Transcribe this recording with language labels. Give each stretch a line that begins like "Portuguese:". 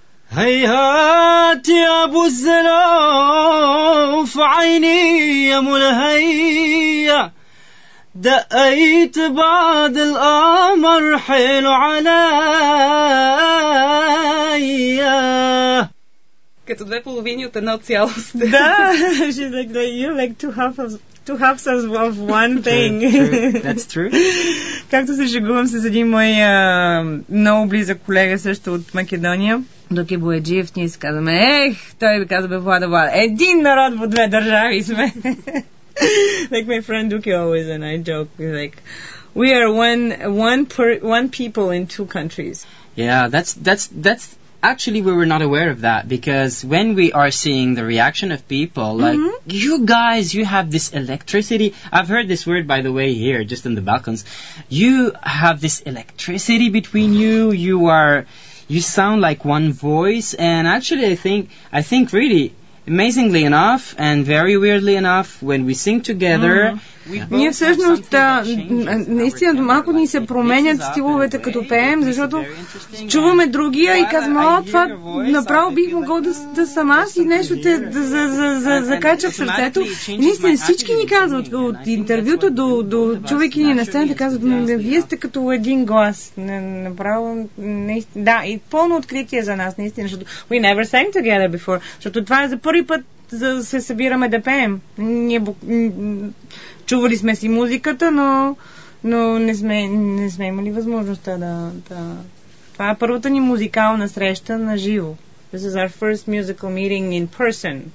Arabic: هيا يا ابو الزلوف عيني يا ملهية دقيت بعد القمر حلو عليا
Bulgarian: като две половини от едно цялост.
English: Да, she's like, you're like two halves of one thing. True. That's true.
Bulgarian: Както се шегувам с един мой много близък колега също от Македония, док е Бояджиев, ние си казваме, ех, той ми казва, бе, Влада, Влада, един народ в две държави сме.
English: Like my friend Duke always and I joke, like, we are one people in two countries. Yeah, that's actually, we were not aware of that, because when we are seeing the reaction of people, like, mm-hmm. you guys, you have this electricity. I've heard this word, by the way, here, just in the Balkans. You have this electricity between you. You sound like one voice. And actually, I think really, amazingly enough, and very weirdly enough, when we sing together... Mm-hmm.
Bulgarian: Ние всъщност, наистина, малко ни се променят стиловете като пеем, защото чуваме другия и казваме, о, това направо бих могъл да съм аз и нещо те закача в сърцето. Наистина, всички ни казват от интервюто до чувайки ни на сцената, казват, вие сте като един глас. Направо, наистина, да, и пълно откритие за нас, наистина, защото
English: we never sang together before,
Bulgarian: защото това е за първи път за да се събираме да пеем. Ние чували сме си музиката, но не сме имали възможността да... Това е първата ни музикална среща на живо.
English: This is our first musical meeting in person.